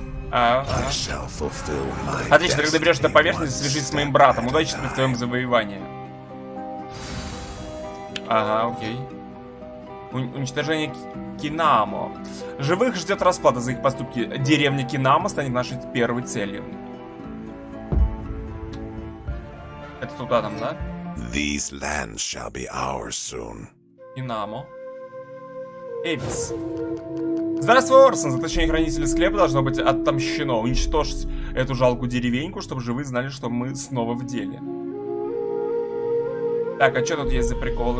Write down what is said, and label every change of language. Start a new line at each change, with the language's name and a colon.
Russian: Отлично, когда доберешься до поверхности, свяжись с моим братом. Удачи тебе в твоем завоевании. Ага, окей. Уничтожение Кинамо. Живых ждет расплата за их поступки. Деревня Кинамо станет нашей первой целью. Это туда там, да?
English: These lands shall be ours soon.
Russian: Кинамо. Эпис. Здравствуй, Орсон. Заточение хранителя склепа должно быть отомщено. Уничтожить эту жалкую деревеньку, чтобы живые знали, что мы снова в деле. Так, а что тут есть за приколы?